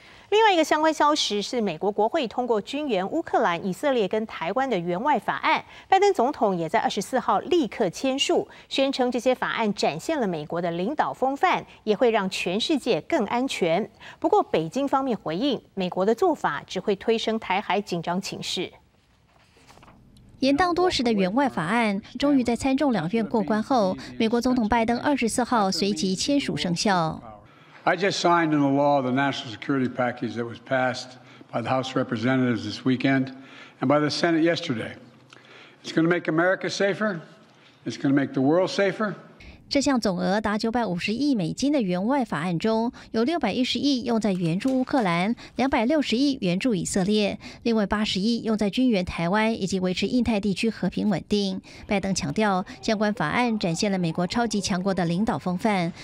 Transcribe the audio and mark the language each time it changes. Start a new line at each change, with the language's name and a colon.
Chinese: 另外一个相关消息是，美国国会通过军援乌克兰、以色列跟台湾的援外法案，拜登总统也在24号立刻签署，宣称这些法案展现了美国的领导风范，也会让全世界更安全。不过，北京方面回应，美国的做法只会推升台海紧张情势。延宕多时的援外法案终于在参众两院过关后，美国总统拜登24号随即签署生效。
English: I just signed into law the national security package that was passed by the House of Representatives this weekend and by the Senate yesterday. It's going to make America safer. It's going to make the world safer.
Chinese: 这项总额达$950亿的援外法案中，有610亿用在援助乌克兰，260亿援助以色列，另外80亿用在军援台湾以及维持印太地区和平稳定。拜登强调，相关法案展现了美国超级强国的领导风范。